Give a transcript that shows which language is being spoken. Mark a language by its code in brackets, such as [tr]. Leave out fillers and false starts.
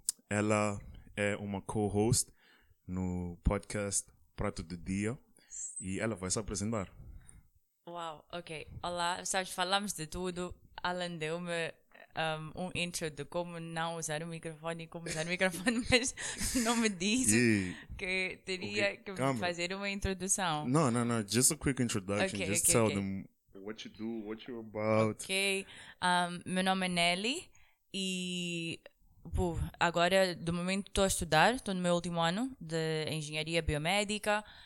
[pt] Ela é uma co-host no podcast Prato do Dia e ela vai se apresentar. Uau, ok. Olá, sabes, falamos de tudo. Alan deu-me um intro de como não usar o microfone e como usar o microfone, mas não me disse que teria que fazer uma introdução. Não. [en] Just a quick introduction. Okay, just tell them what you do, what you're about. Ok. [pt] Meu nome é Nelly e agora, do momento, estou a estudar. Estou no meu último ano de engenharia biomédica.